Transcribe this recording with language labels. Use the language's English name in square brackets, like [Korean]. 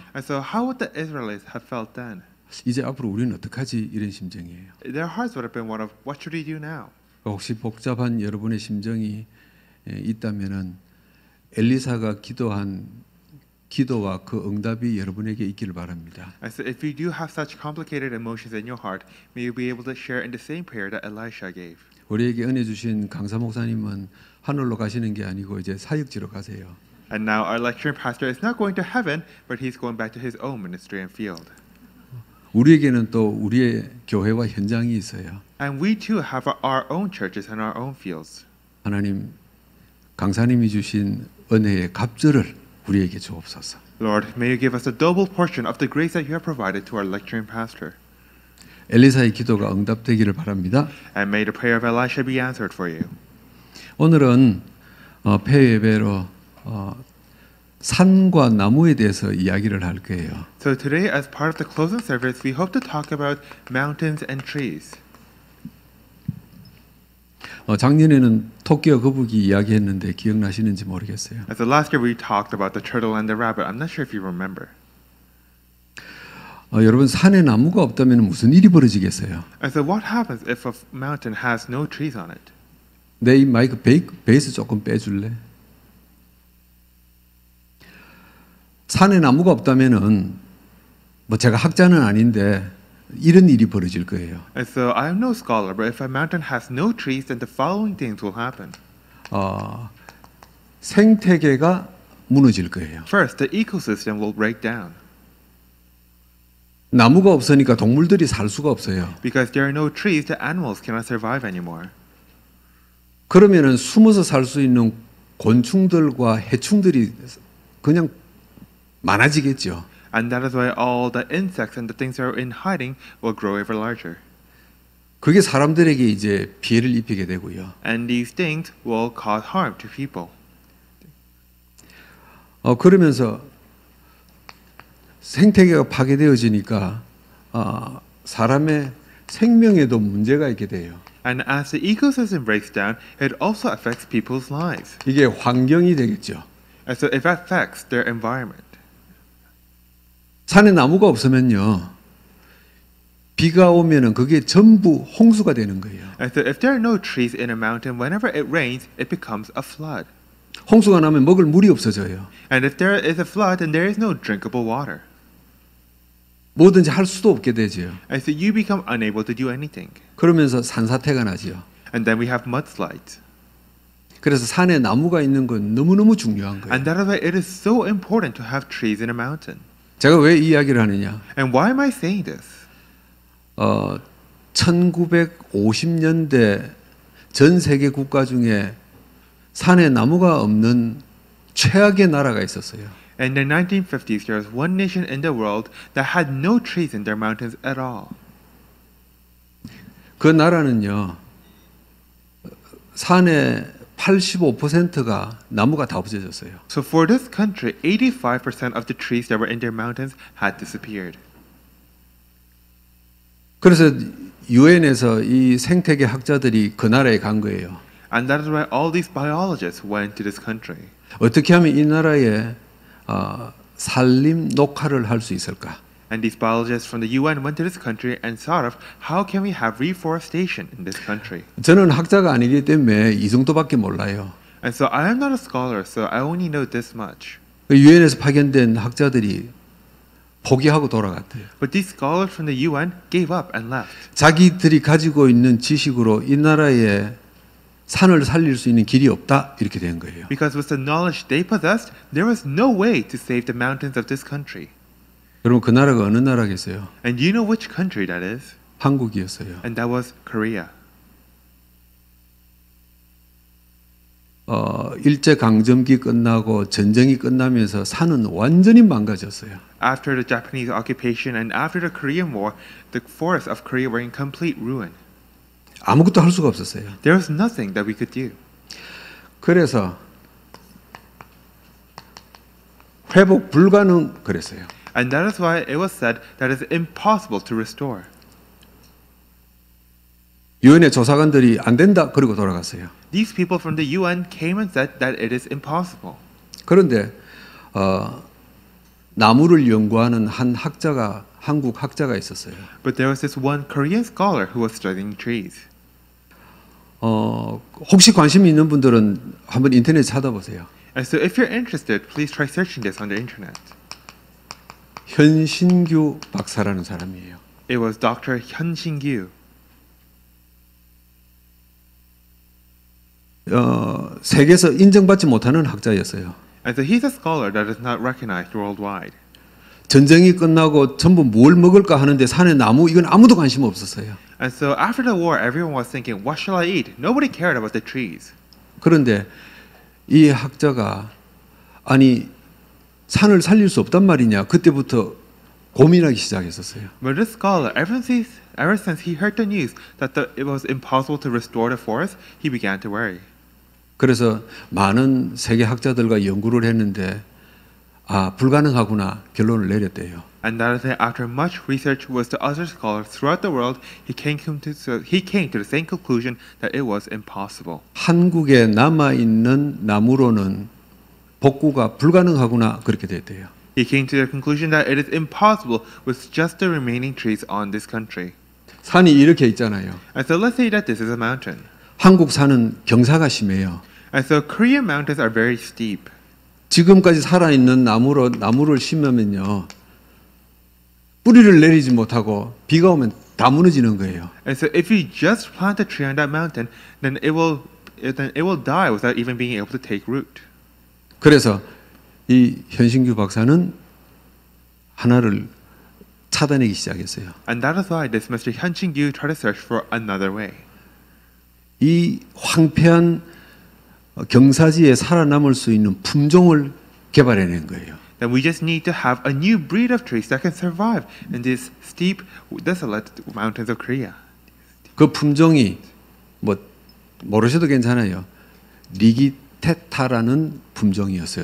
[English] And so how would the Israelites have felt then? [Korean] 이제 앞으로 우리는 어떡하지 이런 심정이에요. [English] Their hearts would have been one of what should we do now? [Korean] 혹시 복잡한 여러분의 심정이 있다면은 엘리사가 기도한 기도와 그 응답이 여러분에게 있기를 바랍니다. [English] So if you do have such complicated emotions in your heart, may you be able to share in the same prayer that Elisha gave. [Korean] 우리에게 은혜 주신 강사 목사님은 하늘로 가시는 게 아니고 이제 사역지로 가세요. [English] And now our lecturing pastor is not going to heaven, but he's going back to his own ministry and field. [Korean] 우리에게는 또 우리의 교회와 현장이 있어요. [English] And we too have our own churches and our own fields. [Korean] 하나님 강사님이 주신 은혜의 갑절을 우리에게 주옵소서. [English] Lord, may you give us a double portion of the grace that you have provided to our lecturing pastor. [Korean] 엘리사의 기도가 응답되기를 바랍니다. [English] And may the prayer of Elisha be answered for you. [Korean] 오늘은 폐예배로 산과 나무에 대해서 이야기를 할 거예요. [English] So today, as part of the closing service, we hope to talk about mountains and trees. [Korean] 작년에는 토끼와 거북이 이야기했는데 기억나시는지 모르겠어요. [English] So last year we talked about the turtle and the rabbit. I'm not sure if you remember. [Korean] 여러분 산에 나무가 없다면 무슨 일이 벌어지겠어요? [English] So what happens if a mountain has no trees on it? [Korean] 내 이 마이크 베이스 조금 빼줄래? 산에 나무가 없다면은 뭐 제가 학자는 아닌데 이런 일이 벌어질 거예요. [English] And so I am no scholar, but if a mountain has no trees, then the following things will happen. [Korean] 생태계가 무너질 거예요. [English] First, the ecosystem will break down. [Korean] 나무가 없으니까 동물들이 살 수가 없어요. [English] Because there are no trees, the animals cannot survive anymore. [Korean] 그러면은 숨어서 살 수 있는 곤충들과 해충들이 그냥 많아지겠죠. [English] And that is why all the insects and the things that are in hiding will grow ever larger. [Korean] 그게 사람들에게 이제 피해를 입히게 되고요. [English] And these things will cause harm to people. [Korean] 그러면서 생태계가 파괴되어지니까 사람의 생명에도 문제가 있게 돼요. [English] And as the ecosystem breaks down, it also affects people's lives. [Korean] 이게 환경이 되겠죠. [English] And so it affects their environment. [Korean] 산에 나무가 없으면요, 비가 오면은 그게 전부 홍수가 되는 거예요. [English] And so if there are no trees in a mountain, whenever it rains, it becomes a flood. [Korean] 홍수가 나면 먹을 물이 없어져요. [English] And if there is a flood, then there is no drinkable water. [Korean] 뭐든지 할 수도 없게 되죠. [English] And so you become unable to do anything. [Korean] 그러면서 산사태가 나죠. [English] And then we have mudslides. [Korean] 그래서 산에 나무가 있는 건 너무너무 중요한 거예요. [English] And that is why it is so important to have trees in a mountain. [Korean] 제가 왜 이 이야기를 하느냐? [English] And why am I saying this? [Korean] 1950년대 전 세계 국가 중에 산에 나무가 없는 최악의 나라가 있었어요. [English] And in the 1950s, there was one nation in the world that had no trees in their mountains at all. [Korean] 그 나라는요, 산에 85%가 나무가 다 없어졌어요. [English] So for this country, 85% of the trees that were in their mountains had disappeared. [Korean] 그래서 UN에서 이 생태계 학자들이 그 나라에 간 거예요. [English] And that is why all these biologists went to this country. [Korean] 어떻게 하면 이 나라에 산림 녹화를 할 수 있을까? [English] And these biologists from the UN went to this country and thought of how can we have reforestation in this country. [Korean] 저는 학자가 아니기 때문에 이 정도밖에 몰라요. [English] And so I am not a scholar, so I only know this much. [Korean] 유엔에서 파견된 학자들이 포기하고 돌아갔대요. [English] But these scholars from the UN gave up and left. [Korean] 자기들이 가지고 있는 지식으로 이 나라에 산을 살릴 수 있는 길이 없다 이렇게 된 거예요. [English] Because with the knowledge they possessed, there was no way to save the mountains of this country. [Korean] 여러분 그 나라가 어느 나라겠어요? [English] And you know which country that is? [Korean] 한국이었어요. [English] And that was Korea. [Korean] 일제 강점기 끝나고 전쟁이 끝나면서 산은 완전히 망가졌어요. [English] After the Japanese occupation and after the Korean War, the forests of Korea were in complete ruin. [Korean] 아무것도 할 수가 없었어요. [English] There was nothing that we could do. [Korean] 그래서 회복 불가능 그랬어요. [English] And that is why it was said that it's impossible to restore. [Korean] 유엔의 조사관들이 안 된다 그러고 돌아갔어요. [English] These people from the UN came and said that it is impossible. [Korean] 그런데 나무를 연구하는 한 학자가 한국 학자가 있었어요. [English] But there was this one Korean scholar who was studying trees. [Korean] 혹시 관심 있는 분들은 한번 인터넷 찾아보세요. [English] And so if you're interested, please try searching this on the internet. [Korean] 현신규 박사라는 사람이에요. [English] It was Dr. 현신규. [Korean] 세계에서 인정받지 못하는 학자였어요. [English] And so he's a scholar that is not recognized worldwide. [Korean] 전쟁이 끝나고 전부 뭘 먹을까 하는데 산에 나무 이건 아무도 관심 없었어요. [English] And so after the war, everyone was thinking, what shall I eat? Nobody cared about the trees. [Korean] 그런데 이 학자가 아니 산을 살릴 수 없단 말이냐 그때부터 고민하기 시작했었어요. [English] But this scholar, ever since he heard the news that it was impossible to restore the forest, he began to worry. [Korean] 그래서 많은 세계 학자들과 연구를 했는데 불가능하구나 결론을 내렸대요. [English] And that is why after much research with the other scholars throughout the world, he came to the same conclusion that it was impossible. [Korean] 한국에 남아 있는 나무로는 복구가 불가능하구나 그렇게 됐대요. [English] He came to the conclusion that it is impossible with just the remaining trees on this country. [Korean] 산이 이렇게 있잖아요. [English] And so let's say that this is a mountain. [Korean] 한국 산은 경사가 심해요. [English] And so Korean mountains are very steep. [Korean] 지금까지 살아있는 나무를 심으면요 뿌리를 내리지 못하고 비가 오면 다 무너지는 거예요. [English] And so if you just plant a tree on that mountain, then it will die without even being able to take root. [Korean] 그래서 이 현신규 박사는 하나를 찾아내기 시작했어요. [English] And that is why this Mr. Hyun Ching-gyu tried to search for another way. [Korean] 이 황폐한 경사지에 살아남을 수 있는 품종을 개발해낸 거예요. [English] Then we just need to have a new breed of trees that can survive in these steep, desolate mountains of Korea. [Korean] 그 품종이 뭐 모르셔도 괜찮아요. 리기테타라는 품종이었어요.